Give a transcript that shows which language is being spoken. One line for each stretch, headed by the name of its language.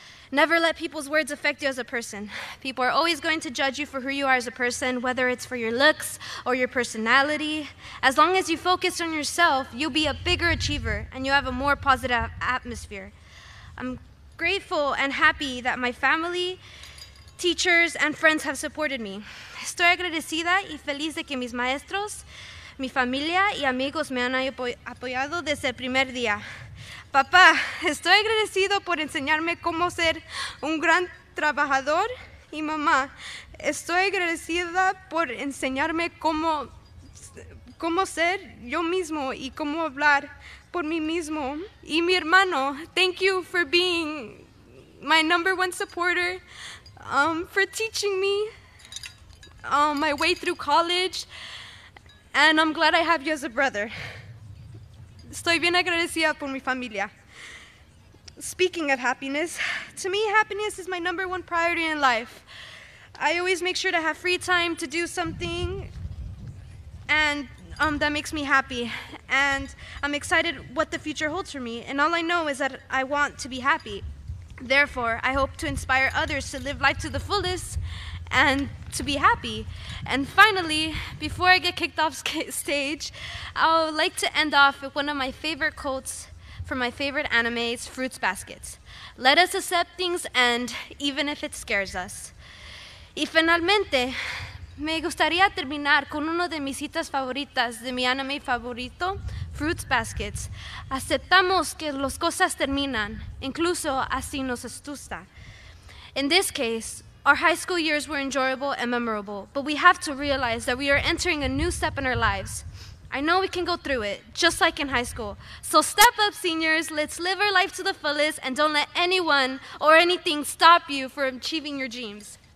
English: Never let people's words affect you as a person. People are always going to judge you for who you are as a person, whether it's for your looks or your personality. As long as you focus on yourself, you'll be a bigger achiever and you'll have a more positive atmosphere. I'm grateful and happy that my family, teachers, and friends have supported me.
Spanish: Estoy agradecida y feliz de que mis maestros, mi familia y amigos me han apoyado desde el primer día. Papá, estoy agradecido por enseñarme cómo ser un gran trabajador y mamá, estoy agradecida por enseñarme cómo ser yo mismo y cómo hablar por mí mismo. Y mi hermano,
English: thank you for being my number one supporter, for teaching me my way through college, and I'm glad I have you as a brother.
Spanish: Estoy bien agradecida por mi familia.
English: Speaking of happiness, to me, happiness is my number one priority in life. I always make sure to have free time to do something and that makes me happy. And I'm excited what the future holds for me. And all I know is that I want to be happy. Therefore, I hope to inspire others to live life to the fullest and to be happy. And finally, before I get kicked off stage, I would like to end off with one of my favorite quotes from my favorite anime's Fruits Basket. Let us accept things end, even if it scares us.
Spanish: Y finalmente, me gustaría terminar con uno de mis citas favoritas de mi anime favorito, Fruits Basket. Aceptamos que las cosas terminan, incluso así nos asusta.
English: In this case, our high school years were enjoyable and memorable, but we have to realize that we are entering a new step in our lives. I know we can go through it, just like in high school. So step up, seniors, let's live our life to the fullest and don't let anyone or anything stop you from achieving your dreams.